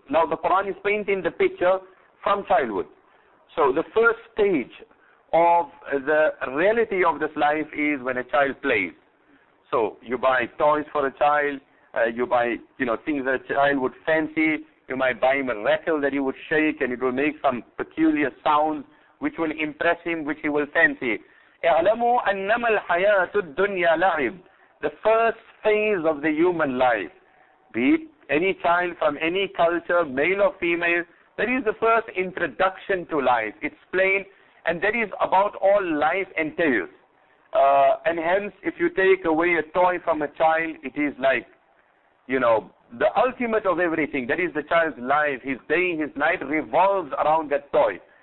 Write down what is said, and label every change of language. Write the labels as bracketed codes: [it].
[en] Now the Quran is painting the picture from childhood. So the first stage of the reality of this life is when a child plays. So you buy toys for a child. You buy things that a child would fancy. You might buy him a rattle that he would shake and it will make some peculiar sounds which will impress him, which he will fancy. [ar] اعلموا أنما الحياة الدنيا لعب. [en] The first phase of the human life, be it any child from any culture, male or female, that is the first introduction to life. It's plain, and that is about all life entails. And hence, if you take away a toy from a child, it is like, you know, the ultimate of everything, that is the child's life, his day, his night revolves around that toy.